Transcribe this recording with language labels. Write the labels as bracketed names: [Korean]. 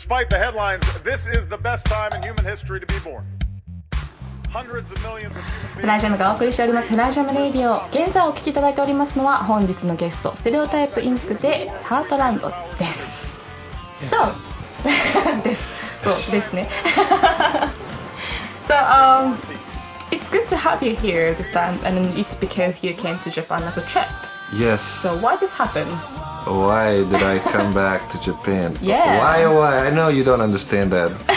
[English] headlines, this is the best time in human history to be born. Hundreds of millions of human beings. [Japanese] フライジャムがお送りしておりますフライジャムレイディオ。現在お聞きいただいておりますのは本日のゲスト、ステレオタイプインクでハートランドです。 So, です。そうですね。 [English] So, it's good to have you here this time, and it's because you came to Japan as a trip. Yes. So why this happened? Why did I come back to Japan? Yeah. Why? I know you don't understand that.